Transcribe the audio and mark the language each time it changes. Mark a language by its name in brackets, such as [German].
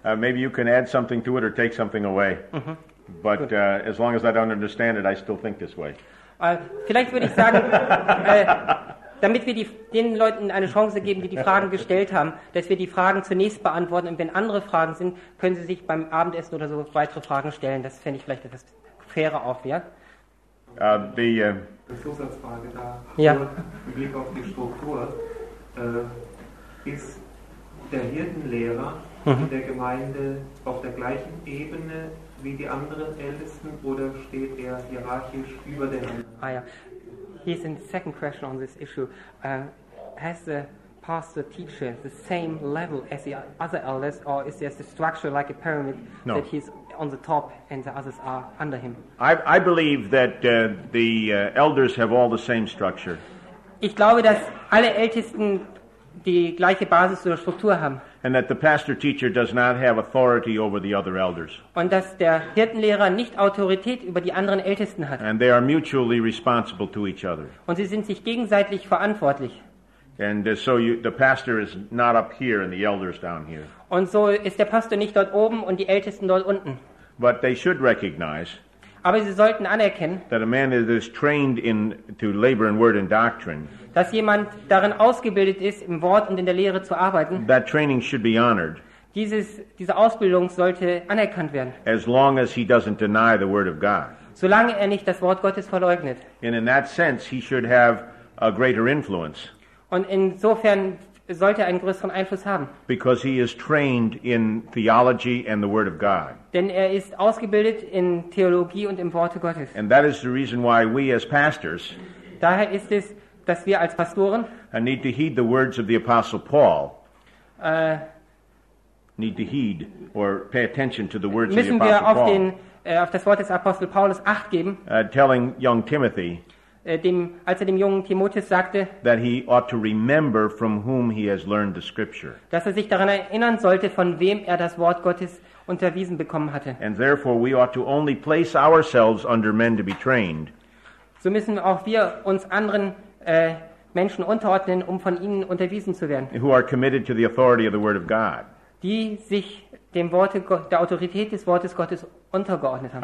[English] Maybe you can add something to it or take something away. Mm-hmm. But as long as I don't understand it, I still think this way. [German] Vielleicht würde ich sagen, damit wir den Leuten eine Chance geben, die Fragen gestellt haben, dass wir die Fragen zunächst beantworten und wenn andere Fragen sind, können sie sich beim Abendessen oder so weitere Fragen stellen. Das fände ich vielleicht etwas fairer auch, ja? Die Zusatzfrage da, ja. Im Blick auf die Struktur, ist der Hirtenlehrer in der Gemeinde auf der gleichen Ebene wie die anderen Ältesten oder steht er hierarchisch über den anderen? [English] Ah ja, he's in second question on this issue. Has the pastor teacher the same level as the other elders, or is there a structure like a pyramid No. that he's on the top and the others are under him? I believe that the elders have all the same structure. [German] Ich glaube, dass alle Ältesten die gleiche Basis oder Struktur haben. [English] And that the pastor teacher does not have authority over the other elders. [German] Und dass der Hirtenlehrer nicht Autorität über die anderen Ältesten hat. [English] And they are mutually responsible to each other. [German] Und sie sind sich gegenseitig verantwortlich. [English] And so the pastor is not up here and the elders down here. [German] Und so ist der Pastor nicht dort oben und die Ältesten dort unten. [English] But they should recognize. [German] Aber sie sollten anerkennen. [English] That a man that is trained in to labor in word and doctrine. [German] Dass jemand darin ausgebildet ist, im Wort und in der Lehre zu arbeiten. [English] That training should be honored. [German] Diese Ausbildung sollte anerkannt werden. [English] As long as he doesn't deny the word of God. [German] Solange er nicht das Wort Gottes verleugnet. [English] And in that sense he should have a greater influence. [German] Und insofern sollte er einen größeren Einfluss haben. [English] Because he is trained in theology and the word of God. [German] Denn er ist ausgebildet in Theologie und im Worte Gottes. [English] And that is the reason why we as pastors. [German] Daher ist es, dass wir als Pastoren. [English] I need to heed the words of the Apostle Paul. Need to heed or pay attention to the words of the Apostle Paul. [German] Müssen wir auf das Wort des Apostel Paulus Acht geben. [English] Telling young Timothy. [German] Als er dem jungen Timotheus sagte, [English] that he ought to remember from whom he has learned the scripture. [German] Dass er sich daran erinnern sollte, von wem er das Wort Gottes unterwiesen bekommen hatte. [English] And therefore we ought to only place ourselves under men to be trained. [German] So müssen auch wir uns anderen Menschen unterordnen, um von ihnen unterwiesen zu werden. [English] Who are committed to the authority of the word of God. [German] Die sich dem Worte, der Autorität des Wortes Gottes untergeordnet haben.